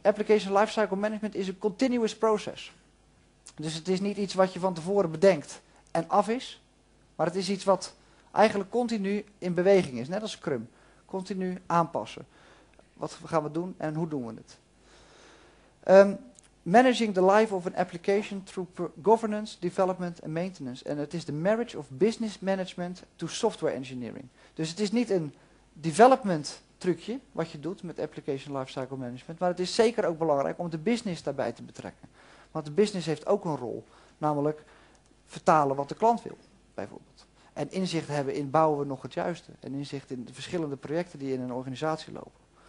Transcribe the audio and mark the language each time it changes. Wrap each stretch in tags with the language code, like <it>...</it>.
<nl>Application Lifecycle Management is een</nl> <en>continuous process.</en> <nl>Dus het is niet iets wat je van tevoren bedenkt en af is, maar het is iets wat eigenlijk continu in beweging is, net als Scrum. Continu aanpassen. Wat gaan we doen en hoe doen we het?</nl> <en>Managing the life of an application through governance, development and maintenance. And it is the marriage of business management to software engineering.</en> <nl>Dus het is niet een development trucje wat je doet met application lifecycle management. Maar het is zeker ook belangrijk om de business daarbij te betrekken. Want de business heeft ook een rol. Namelijk vertalen wat de klant wil, bijvoorbeeld. En inzicht hebben in bouwen we nog het juiste. En inzicht in de verschillende projecten die in een organisatie lopen.</nl>